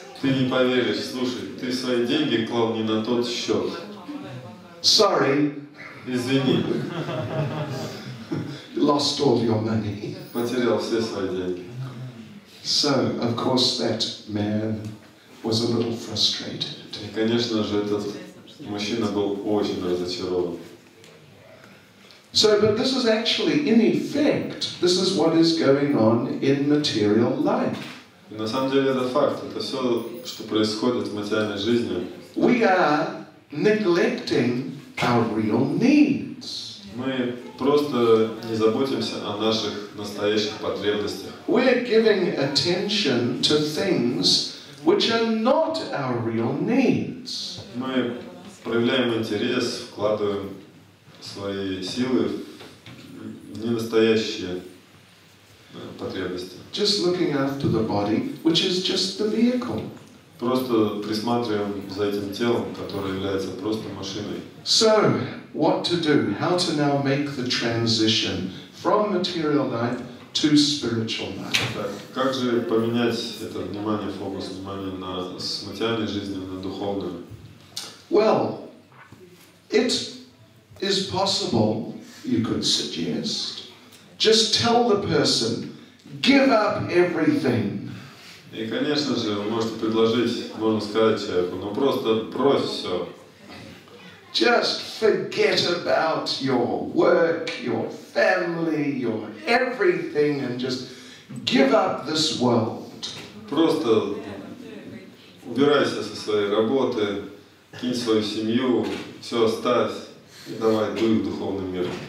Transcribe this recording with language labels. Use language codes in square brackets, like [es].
[ru] Ты не поверишь, слушай, ты свои деньги клал не на тот счет. [en] Sorry. [ru] Извини. [en] Lost all your money. [ru] Потерял все свои деньги. [en] So, of course, that man was a little frustrated. [ru] И, конечно же, этот мужчина был очень разочарован. [en] So, but this is actually, in effect, this is what is going on in material life. [ru] И на самом деле это факт, это все, что происходит в материальной жизни. [en] We are neglecting our real needs. [ru] Мы просто не заботимся о наших настоящих потребностях. [en] We are giving attention to things which are not our real needs. [ru] Мы проявляем интерес, вкладываем свои силы в ненастоящие потребности. [en] Just looking after the body, which is just the vehicle. [ru] Просто присматриваем за этим телом, которое является просто машиной. [en] So, what to do? How to now make the transition from material life to spiritual life? [ru] Как же поменять это внимание, фокус внимания на материальной жизни на духовную? [en] Well, it is possible, you could suggest, just tell the person, give up everything. [ru] И, конечно же, вы можете предложить, можно сказать человеку, ну просто брось все. [en] Just forget about your work, your family, your everything, and just give up this world. [ru] Просто убирайся со своей работы, кинь свою семью, все оставь. И давай, дуй в духовный мир.